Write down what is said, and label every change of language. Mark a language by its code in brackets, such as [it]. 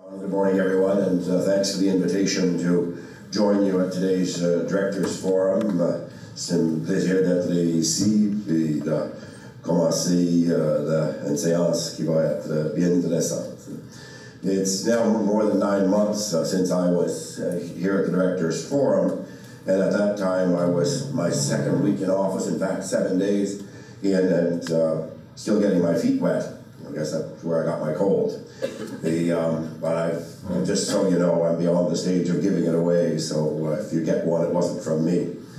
[en] morning, everyone, and thanks for the invitation to join you at today's Directors Forum. [fr] C'est un plaisir d'être ici et de commencer une séance qui va être bien intéressante. [en] It's now more than 9 months since I was here at the Directors Forum, and at that time I was my second week in office, in fact 7 days in, and still getting my feet wet. I guess that's where I got my cold. But just so you know, I'm beyond the stage of giving it away, so if you get one, it wasn't from me.